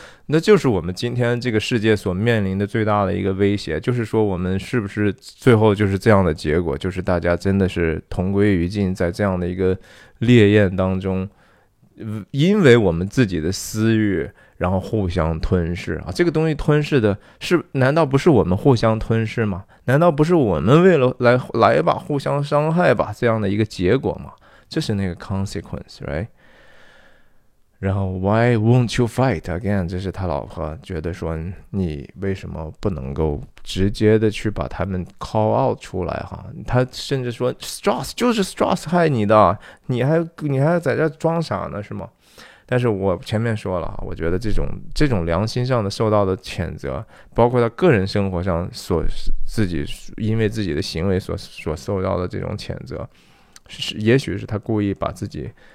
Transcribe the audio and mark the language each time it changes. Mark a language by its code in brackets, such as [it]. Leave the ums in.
[zh] 那就是我们今天这个世界所面临的最大的一个威胁，就是说我们是不是最后就是这样的结果，就是大家真的是同归于尽，在这样的一个烈焰当中，因为我们自己的私欲，然后互相吞噬啊，这个东西吞噬的是，难道不是我们互相吞噬吗？难道不是我们为了来来吧，互相伤害吧这样的一个结果吗？这是那个 consequence，right？ [en] 然后，Why won't you fight again？ [zh] 这是他老婆觉得说，你为什么不能够直接的去把他们 call out 出来？哈，他甚至说 Strauss 就是 Strauss 害你的，你还你还在这装傻呢，是吗？但是我前面说了，我觉得这种这种良心上的受到的谴责，包括他个人生活上所自己因为自己的行为所所受到的这种谴责，是也许是他故意把自己。